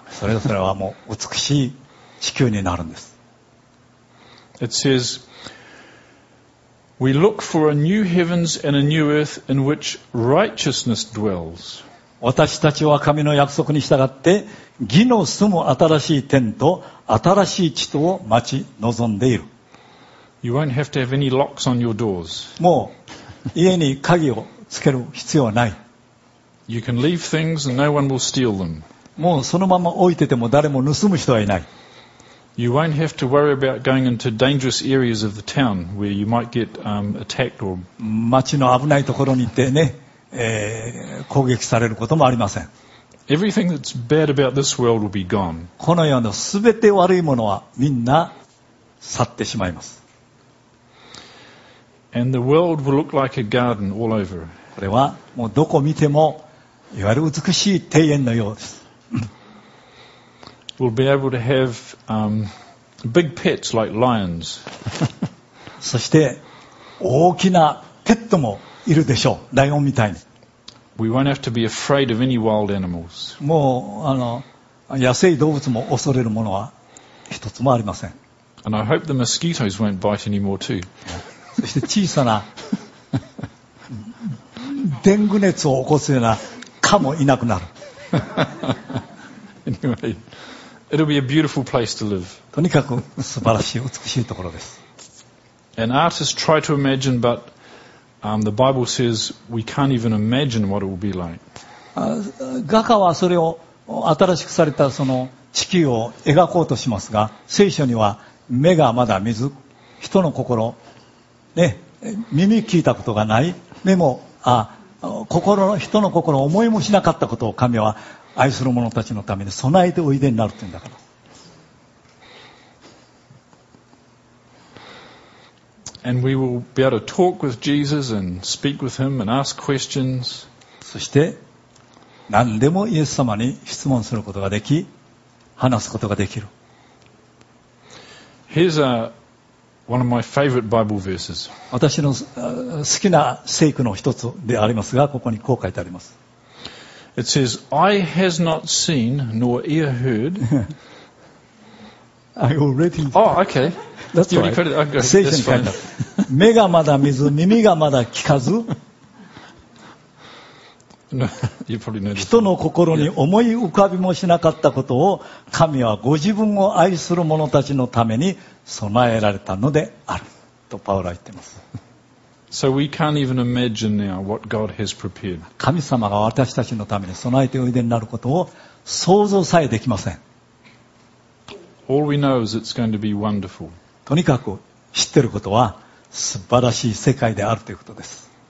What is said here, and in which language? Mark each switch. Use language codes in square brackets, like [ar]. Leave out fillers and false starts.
[ja] それはもう美しい地球になるんです。 [en] It says, "We look for a new heavens and a new earth in which righteousness dwells." [ja] 私たちは神の約束に従って義の住む新しい天と新しい地とを待ち望んでいる。 [en] You won't have to have any locks on your doors. [ja] もう家に鍵をつける必要はない。 [en] You can leave things and no one will steal them. [ja] もうそのまま置いてても誰も盗む人はいない。 [en] You won't have to worry about going into dangerous areas of the town where you might get attacked or [ja] 街の危ないところに行ってね、攻撃されることもありません。 [en] Everything that's bad about this world will be gone. [ja] この世のすべて悪いものはみんな去ってしまいます。 [en] And the world will look like a garden all over. [ja] これはもうどこ見てもいわゆる美しい庭園のようです。 [en] We'll be able to have big pets like lions. [ja] そして大きなペットもいるでしょう。ライオンみたいに。 [en] We won't have to be afraid of any wild animals. [ja] もう野生動物も恐れるものは一つもありません。 [en] And I hope the mosquitoes won't bite anymore too. [ja] そして小さなデング熱を起こすような蚊もいなくなる。 [en] Anyway, it'll be a beautiful place to live. [ja] とにかく素晴らしい美しいところです。 [en] And artists try to imagine, but the Bible says we can't even imagine what it will be like. [ja] 画家はそれを新しくされたその地球を描こうとしますが、聖書には目がまだ見ず、人の心ね、耳聞いたことがない、目も人の心を思いもしなかったことを神は愛する者たちのために備えておいでになるというんだから。 [en] And we will be able to talk with Jesus and speak with him and ask questions. [ja] そして何でもイエス様に質問することができ、話すことができる。 [en] Here's aOne of my favorite Bible verses. [ja] 私の好きな聖句の一つでありますが、ここにこう書いてあります。 [en] It says, I has not seen nor ear heard. I already. Oh, okay. That's you right. Okay, [ja] 聖書に書いた。目がまだ見ず、耳がまだ聞かず。 [en] No, you probably know [ja] 人の心に思い浮かびもしなかったことを神はご自分を愛する者たちのために備えられたのであるとパウロは言っています。 [en] So we can't even imagine now what God has prepared. [ja] 神様が私たちのために備えておいでになることを想像さえできません。 [en] All we know is it's going to be wonderful. [ja] とにかく知っていることは素晴らしい世界であるということです。